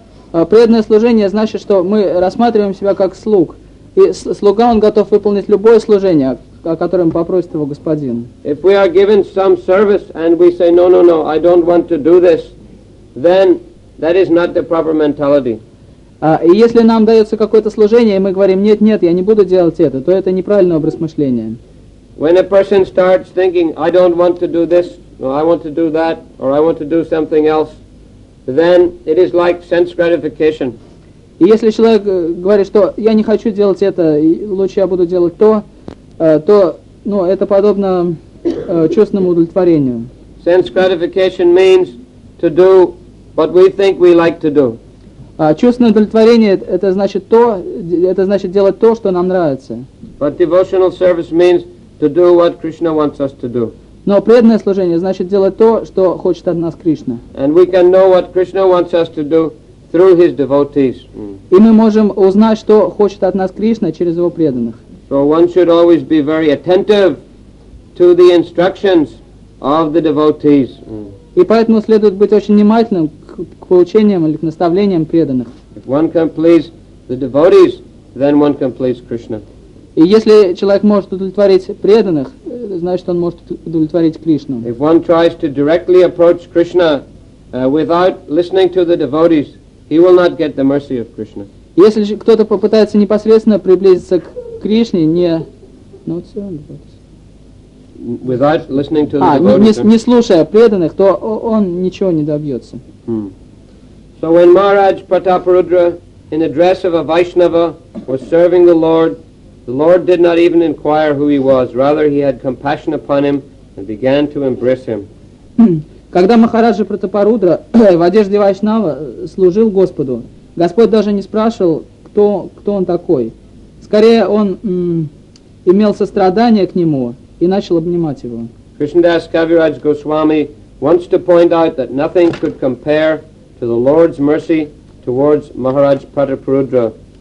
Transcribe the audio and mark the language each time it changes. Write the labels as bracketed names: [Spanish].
[Russian] Преданное служение значит, что мы рассматриваем себя как слуг. И слуга, он готов выполнить любое служение, о котором попросит его господин. [English] If we are given some service and we say, "No, no, no, I don't want to do this," then that is not the proper mentality. [Russian] И если нам дается какое-то служение, и мы говорим, "Нет, нет, я не буду делать это," то это неправильный образ мышления. [English] When a person starts thinking, "I don't want to do this, or I want to do that, or I want to do something else," then it is like sense gratification. [Russian] И если человек говорит, что я не хочу делать это, лучше я буду делать то, то, ну, это подобно чувственному удовлетворению. [English] Sense gratification means to do what we think we like to do. [Russian] Чувственное удовлетворение — это значит то, это значит делать то, что нам нравится. [English] But devotional service means to do what Krishna wants us to do. [Russian] Но преданное служение значит делать то, что хочет от нас Кришна. [English] And we can know what Krishna wants us to do through his devotees. [Russian] И мы можем узнать, что хочет от нас Кришна через его преданных. [English] So one should always be very attentive to the instructions of the devotees. [Russian] И поэтому следует быть очень внимательным к поучениям или к наставлениям преданных. [English] If one can please the devotees, then one can please Krishna. [Russian] И если человек может удовлетворить преданных, значит, он может удовлетворить Кришну. [English] If one tries to directly approach Krishna without listening to the devotees, he will not get the mercy of Krishna. [Russian] Если кто-то попытается непосредственно приблизиться к Кришне, не... [English] without listening to the devotees, [Russian] не слушая преданных, то он ничего не добьется. [English] So when Maharaj Prataparudra, in the dress of a Vaishnava, was serving the Lord, the Lord did not even inquire who he was. Rather, he had compassion upon him and began to embrace him. [Russian] Когда Махараджа Пратапарудра в одежде Вайшнава служил Господу, Господь даже не спрашивал, кто он такой. Скорее, он имел сострадание к нему и начал обнимать его. [English] Кришнадас Кавирадж Госвами wants to point out that nothing could compare to the Lord's mercy towards Maharaj Prataparudra.